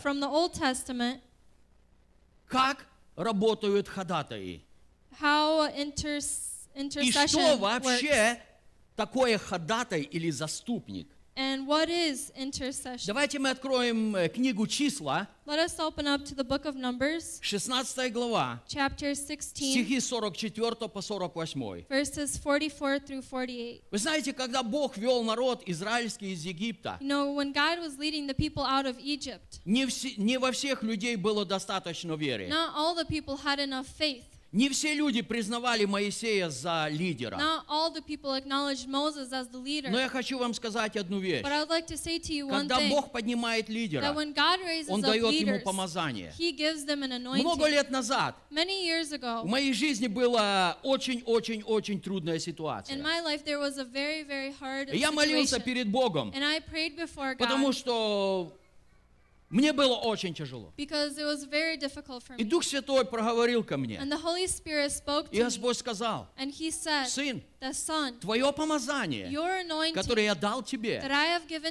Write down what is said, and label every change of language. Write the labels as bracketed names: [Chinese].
[English] from the Old Testament, [Russian] как работают ходатаи. [English] How intercession [Russian] и что вообще [English] works. [Russian] Такое ходатай или заступник. [English] And what is intercession? [Russian] Давайте мы откроем книгу числа. [English] Let us open up to the book of Numbers. [Russian] 16 глава. [English] Chapter 16. [Russian] Стихи 44 по 48. [English] Verses 44 through 48. [Russian] Вы знаете, когда Бог вел народ израильский из Египта, [English] you know, when God was leading the people out of Egypt, [Russian] не во всех людей было достаточно веры. [English] Not all the people had enough faith. [Russian] Не все люди признавали Моисея за лидера. [English] Not all the people acknowledged Moses as the leader. [Russian] Но я хочу вам сказать одну вещь. [English] But I would like to say to you one [Russian] Когда Бог поднимает лидера, [English] that when God raises [Russian] Он дает [English] leaders, [Russian] ему помазание. [English] He gives them an anointing. [Russian] Много лет назад, [English] many years ago, [Russian] в моей жизни была очень-очень-очень трудная ситуация. [English] In my life, there was a very, very hard situation. [Russian] Я молился перед Богом, [English] and I prayed before God, [Russian] потому что мне было очень тяжело. [English] Because it was very difficult for me. [Russian] И Дух Святой проговорил ко мне. [English] And the Holy Spirit spoke to [Russian] и Господь сказал, [English] and he said, [Russian] сын, [English] the son, [Russian] твое помазание, [English] your anointing, [Russian] которое я дал тебе, [English] that I have given